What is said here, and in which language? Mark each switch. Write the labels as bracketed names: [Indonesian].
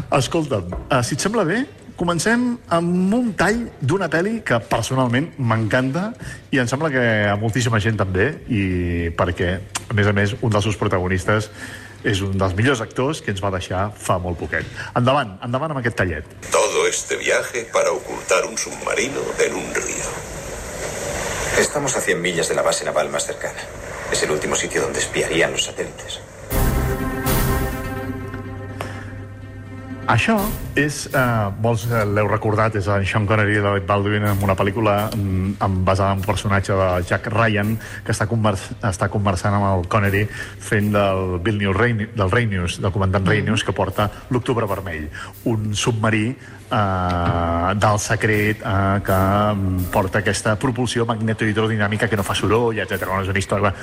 [Catalan] Escolta'm, si et sembla bé, comencem amb un tall d'una pel·li que personalment m'encanta i em sembla que a moltíssima gent també, i perquè, a més, un dels seus protagonistes és un dels millors actors que ens va deixar fa molt poquet. Endavant, endavant amb aquest tallet. [Spanish] Todo este viaje para ocultar un submarino en un río. Estamos a 100 millas de la base naval más cercana. Es el último sitio donde espiarían los satélites. [Catalan] Això és, molts l'heu recordat, és en Sean Connery de David Baldwin en una pel·lícula basada en un personatge de Jack Ryan que està conversant amb el Connery fent del Bill News, del Rain News, del comandant Rain News, que porta l'Octubre Vermell, un submarí del secret que porta aquesta propulsió magneto-hidrodinàmica que no fa soroll, etcètera. No és una història.